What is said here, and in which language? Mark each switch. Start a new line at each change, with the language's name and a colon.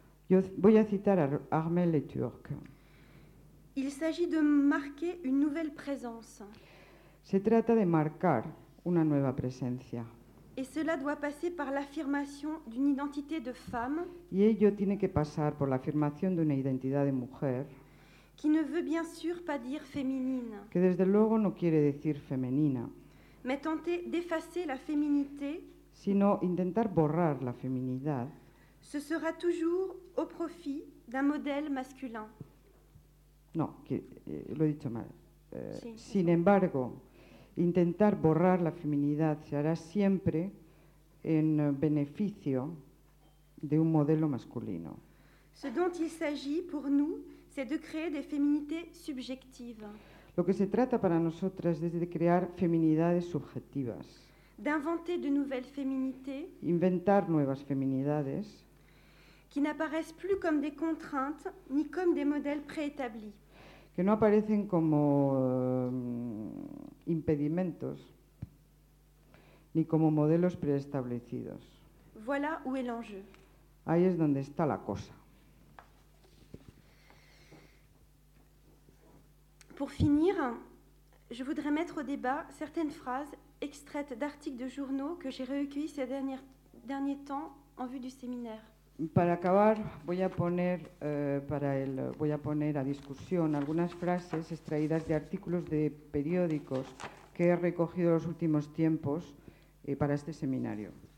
Spanish: Yo voy a citar a Armel Le Turc.
French: Il s'agit de marquer une nouvelle présence.
Spanish: Se trata de marcar una nueva presencia.
French: Et cela doit passer par l'affirmation d'une identité de femme.
Spanish: Y ello tiene que pasar por la afirmación de una identidad de mujer.
French: Qui ne veut bien sûr pas dire féminine.
Spanish: Que desde luego no quiere decir femenina.
French: Mais tenter d'effacer la féminité.
Spanish: Sino intentar borrar la feminidad.
French: Ce sera toujours au profit d'un modèle masculin.
Spanish: Non, lo he dicho mal. Sí. Sin embargo, intentar borrar la feminidad se hará siempre en beneficio de un modelo masculino.
French: Ce dont il s'agit pour nous, c'est de créer des féminités subjectives.
Spanish: Lo que se trata para nosotras es de crear feminidades subjetivas.
French: D'inventer de nouvelles féminités.
Spanish: Inventar nuevas feminidades.
French: Qui n'apparaissent plus comme des contraintes ni comme des modèles préétablis.
Spanish: Que no aparecen como impedimentos ni como modelos preestablecidos.
French: Voilà où est l'enjeu.
Spanish: Ahí es donde está la cosa.
French: Pour finir, je voudrais mettre au débat certaines phrases extraites d'articles de journaux que j'ai recueillis ces derniers temps en vue du séminaire.
Spanish: Para acabar, voy a poner a discusión algunas frases extraídas de artículos de periódicos que he recogido los últimos tiempos para este seminario.